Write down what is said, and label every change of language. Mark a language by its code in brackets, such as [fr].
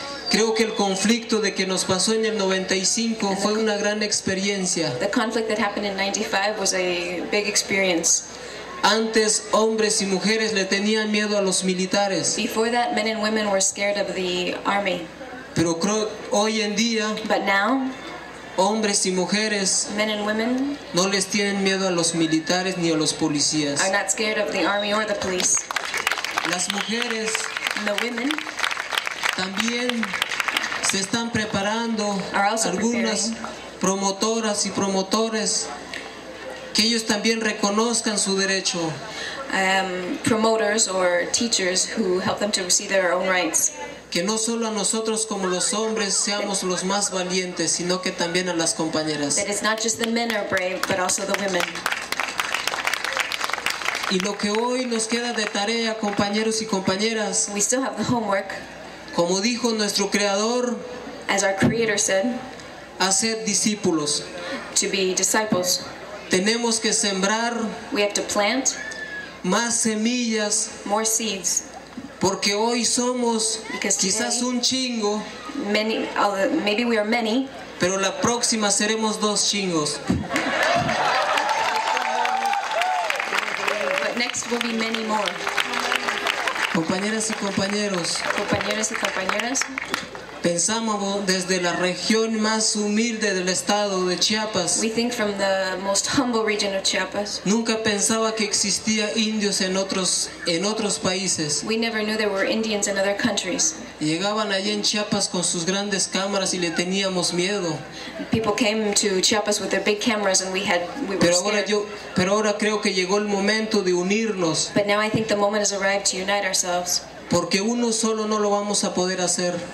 [es] Creo que el conflicto de que nos pasó en el 95 fue una gran experiencia. [en] The conflict that happened in 95 was a big experience. [es] Antes hombres y mujeres le tenían miedo a los militares. [en] Before that, men and women were scared of the army. [es] Pero creo hoy en día, [en] but now, [es] hombres y mujeres, [en] men and women, [es] no les tienen miedo a los militares ni a los policías. [en] Are not scared of the army or the police. [es] Las mujeres, [en] the women, [es] también se están preparando, [en] are also [es] algunas [en] preparing, [es] promotoras y promotores, que ellos también reconozcan su derecho. [en] Promoters or teachers who help them to see their own rights. [es] Que no solo a nosotros como los hombres seamos los más valientes, sino que también a las compañeras. [en] That it's not just the men are brave, but also the women. [es] Y lo que hoy nos queda de tarea, compañeros y compañeras, [en] we still have the homework. [es] Como dijo nuestro creador, [en] as our creator said, [es] hacer discípulos, [en] to be disciples. [es] Tenemos que sembrar, [en] we have to plant, [es] más semillas, [en] more seeds, [es] porque hoy somos, [en] because [es] quizás [en] today, [es] un chingo, [en] many, maybe we are many, [es] pero la próxima seremos dos chingos. [en] But next will be many more. [es] Compañeras y compañeros, compañeros y compañeras, pensamos desde la región más humilde del estado de Chiapas. [en] We think from the most humble region of Chiapas. [es] Nunca pensaba que existía indios en otros países. [en] We never knew there were Indians in other countries. [es] Llegaban allí en Chiapas con sus grandes cámaras y le teníamos miedo. [en] People came to Chiapas with their big cameras and we were [es] pero [en] scared. [es] Pero ahora creo que llegó el momento de unirnos. [en] But now I think the moment has arrived to unite ourselves. [es] Porque uno solo no lo vamos a poder hacer.